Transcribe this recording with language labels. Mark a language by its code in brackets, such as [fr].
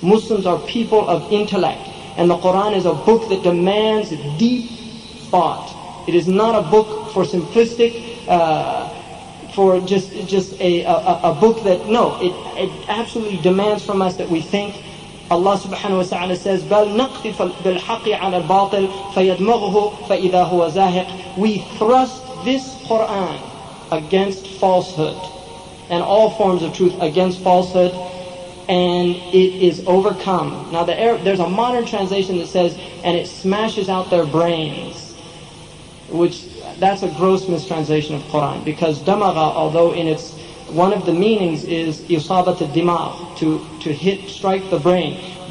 [en] Muslims are people of intellect, and the Qur'an is a book that demands deep thought. It is not a book for simplistic, it absolutely demands from us that we think. Allah subhanahu wa ta'ala says, [ar] بَلْ نَقْتِفَ بِالْحَقِّ عَلَى الْبَاطِلِ فَيَدْمَغْهُ فَإِذَا هُوَ زَاهِقٌ. [en] We thrust this Qur'an against falsehood, and all forms of truth against falsehood, and it is overcome. Now there's a modern translation that says, and it smashes out their brains. That's a gross mistranslation of Quran. Because damagha, although in its, one of the meanings is isabat al-dimagh, to strike the brain.